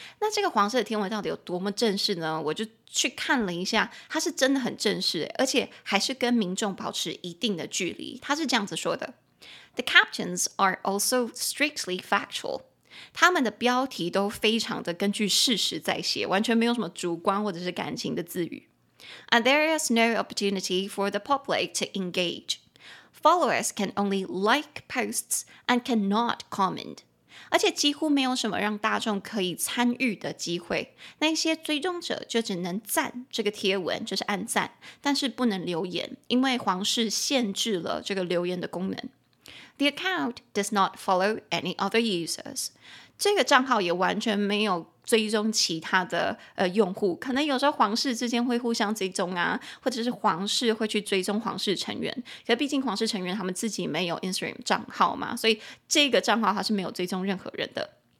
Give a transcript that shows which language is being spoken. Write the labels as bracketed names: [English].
[Chinese] 那这个皇室的贴文到底有多么正式呢？我就去看了一下，它是真的很正式，而且还是跟民众保持一定的距离。他是这样子说的， [English] The captions are also strictly factual. 他们的标题都非常的根据事实在写，完全没有什么主观或者是感情的字语。 And there is no opportunity for the public to engage. Followers can only like posts and cannot comment. [Chinese] 而且几乎没有什么让大众可以参与的机会，那些追踪者就只能赞这个贴文，就是按赞，但是不能留言，因为皇室限制了这个留言的功能。 [English] The account does not follow any other users. [Chinese] 这个账号也完全没有追踪其他的用户，可能有时候皇室之间会互相追踪啊，或者是皇室会去追踪皇室成员，可是毕竟皇室成员他们自己没有 Instagram 账号嘛，所以这个账号它是没有追踪任何人的。